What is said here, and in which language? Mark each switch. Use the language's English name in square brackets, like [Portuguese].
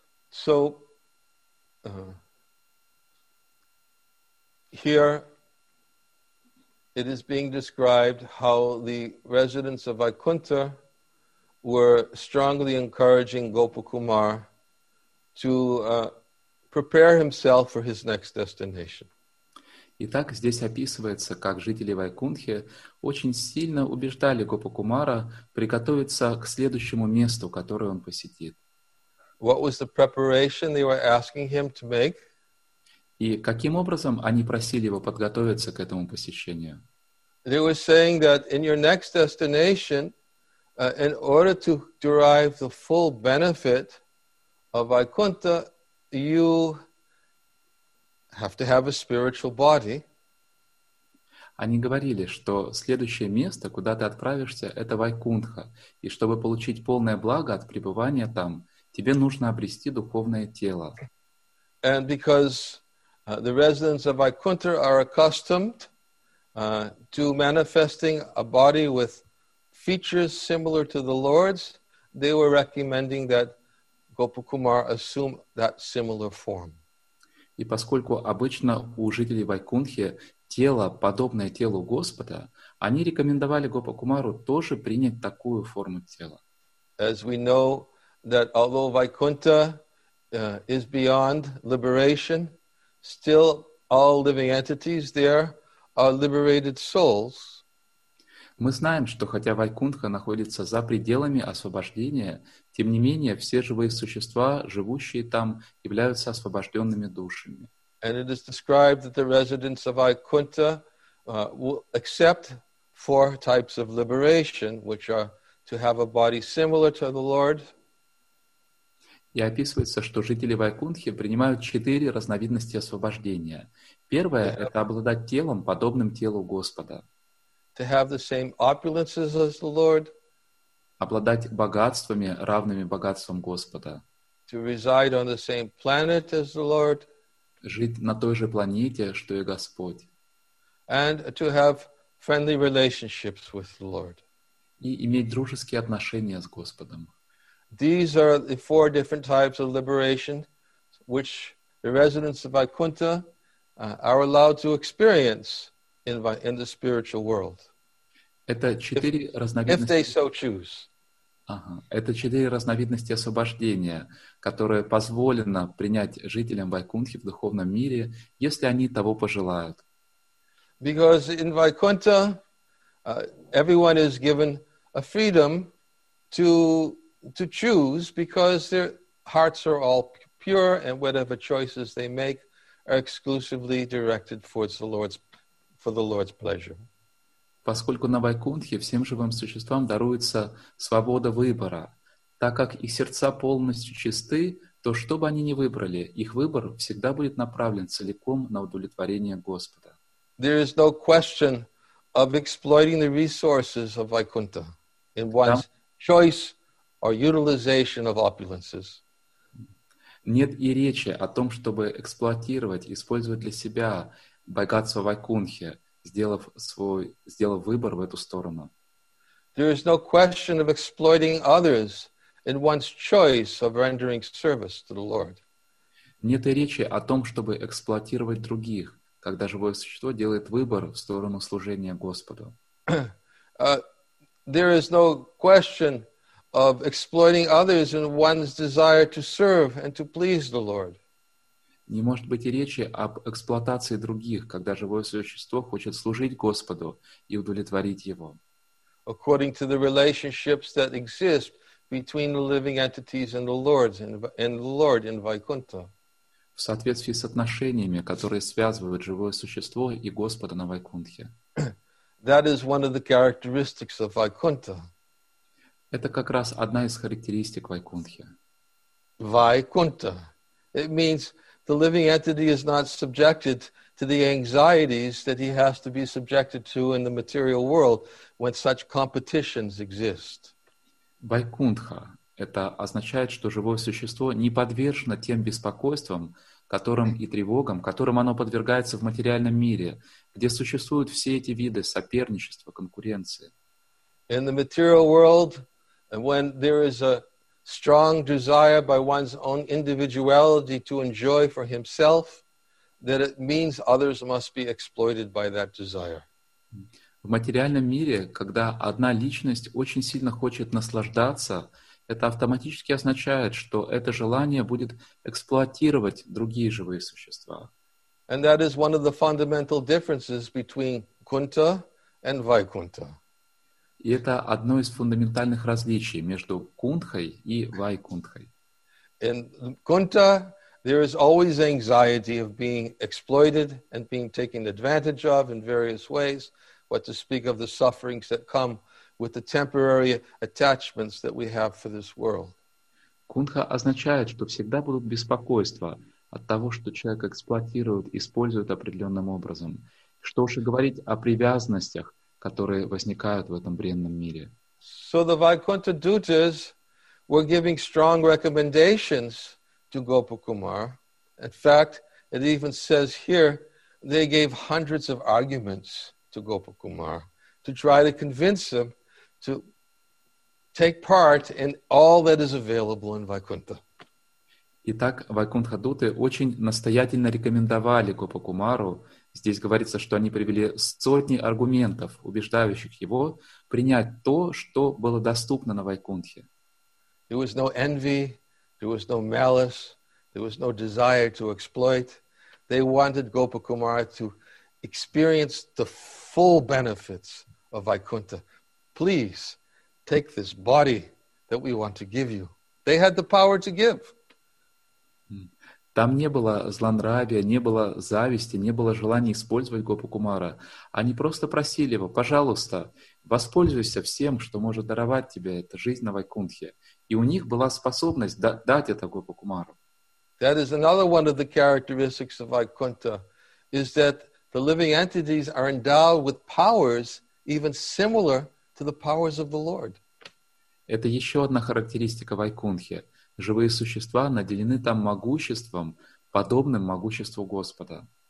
[English] So, here it is being described how the residents of Vaikuntha were strongly encouraging Gopakumar to prepare himself for his next destination. [Russian] Итак, здесь описывается, как жители Вайкунтхи очень сильно убеждали Гопакумара приготовиться к следующему месту, которое он посетит. [English] What was the preparation they were asking him to make? [Russian] И каким образом они просили его подготовиться к этому посещению? [English] They were saying that in your next destination, in order to derive the full benefit of Vaikuntha, you have to have a spiritual body. [Russian] Они говорили, что следующее место, куда ты отправишься, это Вайкунтха, и чтобы получить полное благо от пребывания там, тебе нужно обрести духовное тело. [English] And because the residents of Vaikuntha are accustomed to manifesting a body with features similar to the Lord's, they were recommending that Gopakumar assume that similar form. [Russian] И поскольку обычно у жителей Вайкунтхи тело, подобное телу Господа, они рекомендовали Гопакумару тоже принять такую форму тела. [English] As we know, that although Vaikuntha is beyond liberation, still all living entities there are liberated souls. [Russian] Мы знаем, что хотя Вайкунха находится за пределами освобождения, тем не менее все живые существа, живущие там, являются освобожденными душами. [English] And it is described that the residents of Vaikuntha will accept four types of liberation, which are to have a body similar to the Lord. [Russian] И описывается, что жители Вайкунтхи принимают четыре разновидности освобождения. Первое – это обладать телом, подобным телу Господа. [English] To have the same opulences as the Lord. [Russian] Обладать богатствами, равными богатствам Господа. [English] To reside on the same planet as the Lord. [Russian] Жить на той же планете, что и Господь. [English] And to have friendly relationships with the Lord. [Russian] И иметь дружеские отношения с Господом. [English] These are the four different types of liberation which the residents of Vaikuntha are allowed to experience in the spiritual world. [Russian] Это четыре разновидности. [English] If they so choose. Ага. [Russian] Это четыре разновидности освобождения, которые позволено принять жителям Вайкунтхи в духовном мире, если они того пожелают. [English] Because in Vaikuntha everyone is given a freedom to choose because their hearts are all pure and whatever choices they make are exclusively directed towards the Lord's pleasure. [Russian] Поскольку на Вайкунтхе всем живым существам даруется свобода выбора, так как их сердца полностью чисты, то что бы они ни выбрали, их выбор всегда будет направлен целиком на удовлетворение Господа. [English] There is no question of exploiting the resources of Vaikuntha in one's choice or utilization of opulences. [Russian] Нет и речи о том, чтобы эксплуатировать, использовать для себя богатство Вайкунтхи, сделав выбор в эту сторону. [English] There is no question of exploiting others in one's choice of rendering service to the Lord. [Russian] Нет и речи о том, чтобы эксплуатировать других, когда живое существо делает выбор в сторону служения Господу. [English] There is no question of exploiting others in one's desire to serve and to please the Lord. [Russian] Не может быть и речи об эксплуатации других, когда живое существо хочет служить Господу и удовлетворить Его. [English] According to the relationships that exist between the living entities and the Lord in Vaikuntha. [Russian] В соответствии с отношениями, которые связывают живое существо и Господа на Вайкунтхе. [English] That is one of the characteristics of Vaikuntha. [Russian] Это как раз одна из характеристик Вайкунтхи. [English] Vaikuntha. It means the living entity is not subjected to the anxieties that he has to be subjected to in the material world when such competitions exist. [Russian] Вайкунтха. Это означает, что живое существо не подвержено тем беспокойствам, которым и тревогам, которым оно подвергается в материальном мире, где существуют все эти виды соперничества, конкуренции. [English] In the material world, when there is a strong desire by one's own individuality to enjoy for himself, that it means others must be exploited by that desire. [Russian] В материальном мире, когда одна личность очень сильно хочет наслаждаться, это автоматически означает, что это желание будет эксплуатировать другие живые существа. [English] And that is one of the fundamental differences between Kunta and Vaikuntha. [Russian] И это одно из фундаментальных различий между Кунтхой и Вайкунтхой. [English] In Kunta, there is always anxiety of being exploited and being taken advantage of in various ways, what to speak of the sufferings that come with the temporary attachments that we have for this world. [Russian] Кунтха означает, что всегда будут беспокойства от того, что человек эксплуатирует, использует определенным образом. Что уж и говорить о привязанностях, которые возникают в этом бренном мире. [English] So the Vaikuntha Dutas were giving strong recommendations to Gopakumar. In fact, it even says here, they gave hundreds of arguments to Gopakumar to try to convince him to take part in all that is available in Vaikuntha. [Russian] Итак, Вайкунтха-дуты очень настоятельно рекомендовали Гопакумару. Здесь говорится, что они привели сотни аргументов, убеждающих его принять то, что было доступно на Вайкунтхе. [English] There was no envy, there was no malice, there was no desire to exploit. They wanted Gopakumara to experience the full benefits Vaikuntha, please take this body that we want to give you. They had the power to give. [Russian] Там не было злонравия, не было зависти, не было желания использовать Гопакумара. Они просто просили его, пожалуйста, воспользуйся всем, что может даровать тебе эта жизнь на Вайкунтхе. И у них была способность дать это Гопакумару. [English] That is another one of the characteristics of Vaikuntha, is that the living entities are endowed with powers even similar to the powers of the Lord. [Russian] Это еще одна характеристика Вайкунтхи. Живые существа наделены там могуществом, подобным могуществу Господа.